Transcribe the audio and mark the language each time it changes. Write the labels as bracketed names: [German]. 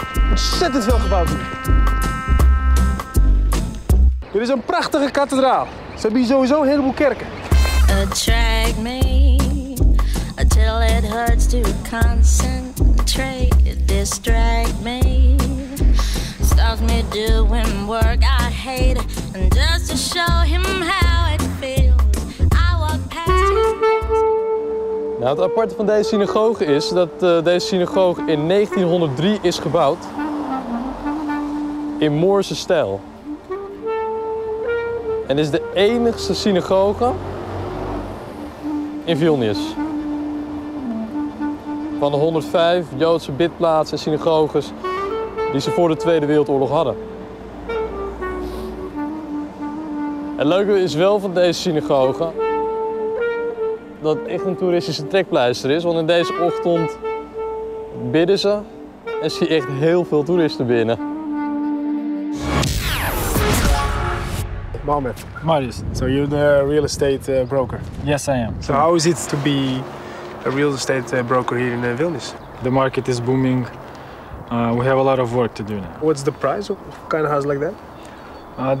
[Dutch] Ontzettend veel gebouwd hier. Dit is een prachtige kathedraal. Ze hebben hier sowieso een heleboel kerken. [English] Attract me until it hurts to concentrate. Distract me, stops me doing work I hate. And just to show him how it feels, I walk past his eyes. [Dutch] Nou, het aparte van deze synagoge is dat deze synagoge in 1903 is gebouwd in Moorse stijl. En is de enigste synagoge in Vilnius. Van de 105 Joodse bidplaatsen en synagoges die ze voor de Tweede Wereldoorlog hadden. Het leuke is wel van deze synagoge dat het echt een toeristische trekpleister is, want in deze ochtend bidden ze en zie echt heel veel toeristen binnen. [English] Mohamed. Marius. So you're the real estate broker? Yes, I am. So how is it to be a real estate broker here in Vilnius? The market is booming. We have a lot of work to do now. What's the price of kind of house like that?